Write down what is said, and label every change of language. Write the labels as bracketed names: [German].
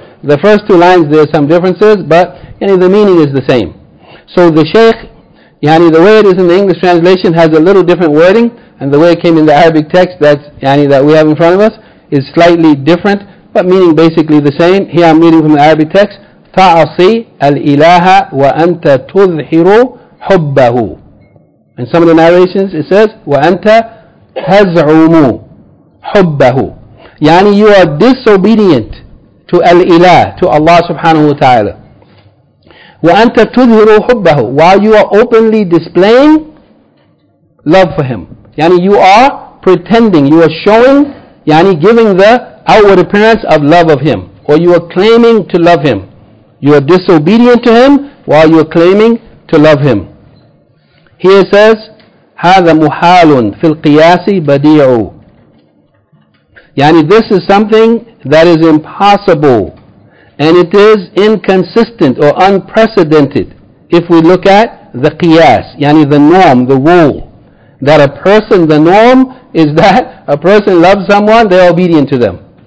[English] The first two lines, there are some differences, but, yani, the meaning is the same. So the Shaykh, yani, the way it is in the English translation has a little different wording, and the way it came in the Arabic text that's, yani, that we have in front of us is slightly different, but meaning basically the same. Here I'm reading from the Arabic text. [Arabic] تعصي الإله وأنت تظهر حبه. [English] In some of the narrations it says [Arabic] وأنت تزعم حبه, [English] يعني you are disobedient to الإله, to Allah subhanahu wa ta'ala. [Arabic] وأنت تظهر حبه, [English] while you are openly displaying love for him, يعني you are pretending, you are showing, يعني giving the outward appearance of love of him, or you are claiming to love him. You are disobedient to him while you are claiming to love him. Here it says, [Arabic] هذا محال في القياس بديع. [English] Yani, this is something that is impossible, and it is inconsistent or unprecedented if we look at the qiyas, yani the norm, the rule, that a person, the norm is that a person loves someone, they are obedient to them.